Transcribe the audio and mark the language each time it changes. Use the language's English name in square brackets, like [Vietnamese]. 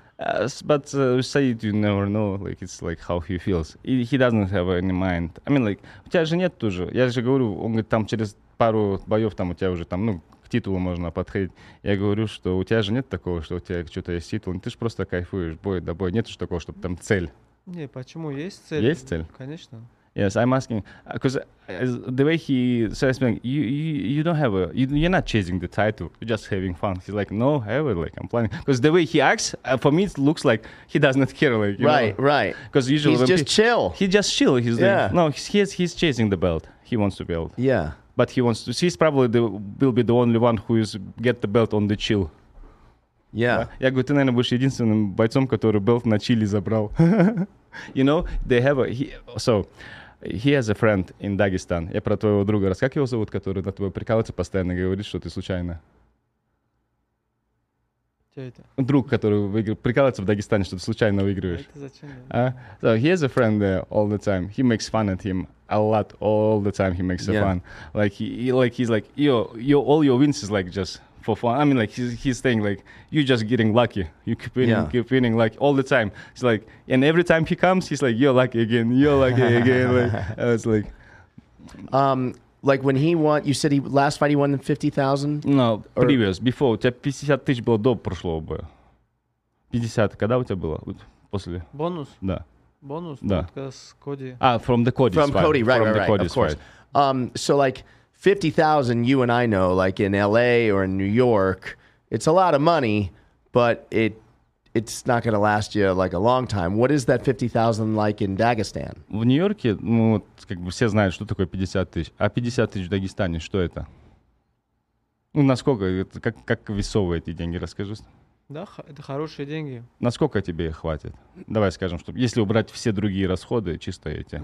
[English] But say you never know, like it's like how he feels. He doesn't have any mind. I mean, like [Russian] у тебя же нет тоже. Я же говорю, он говорит, там через пару боев там у тебя уже там, ну. Титулу можно подходить. Я говорю, что у тебя же нет такого, что у тебя что-то есть титул. Ты же просто кайфуешь, бой до боя. Нет же такого, чтобы там цель. Не, почему? Есть цель. Есть цель? Конечно. [English] Yes, I'm asking because the way he says, like, you don't have a, you're not chasing the title, you're just having fun. He's like, no, I have it, like, I'm planning. Because the way he acts, for me, it looks like he does not care. Like, you right, know? Right. Because usually he's just chill. He's like, yeah. No, he's chasing the belt. He wants to build. Yeah. But he wants to. He's probably will be the only one who is get the belt on the chill. Yeah. [Russian] Я говорю, ты, наверное, будешь единственным бойцом, который belt на чили забрал. [English] You know, they have he has a friend in Dagestan. [Russian] Я про твоего друга раз. Как его зовут, который на тебя прикалывается постоянно, говорит, что ты случайно? Что это? Друг, который прикалывается в Дагестане, что ты случайно выигрываешь. Это зачем? [English] So he has a friend there all the time. He makes fun at him a lot. All the time he makes fun. Like he's like, all your wins is like just for fun. I mean, like he's saying, like, you're just getting lucky. You keep winning, keep winning, like, all the time. It's like, and every time he comes, he's like, you're lucky again. You're lucky again. Like, I was like, like when he won, you said he last fight he won 50,000. No, or? Previous before. [Russian] У тебя 50,000 было до прошлого боя. 50. Когда у тебя было? После. Бонус. Да. Бонус. Да. [English] Because Cody. Ah, from the Cody. From fight. Cody, right. Cody's of course. Fight. So like 50,000, you and I know, like in LA or in New York, it's a lot of money, but it's not going to last you like a long time. What is that 50,000 like in Dagestan? [Russian] В Нью-Йорке, ну, вот, как бы все знают, что такое 50,000. А 50,000 в Дагестане, что это? Ну, насколько, как весовые эти деньги, расскажи. Да, это хорошие деньги. Насколько тебе их хватит? Давай скажем, что если убрать все другие расходы, чисто эти.